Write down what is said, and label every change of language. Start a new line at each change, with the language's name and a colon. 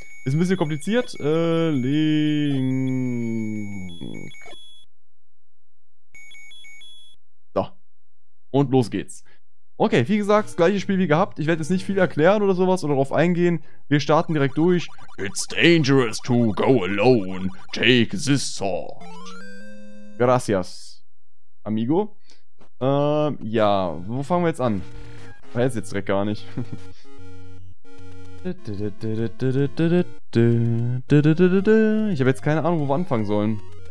German: Ist ein bisschen kompliziert. Link. Und los geht's. Okay, wie gesagt, das gleiche Spiel wie gehabt. Ich werde jetzt nicht viel erklären oder sowas oder darauf eingehen. Wir starten direkt durch.
English: It's dangerous to go alone. Take this sword.
Spanish: Gracias, amigo.
German: Ja, wo fangen wir jetzt an? Weiß jetzt direkt gar nicht. Ich habe jetzt keine Ahnung, wo wir anfangen sollen.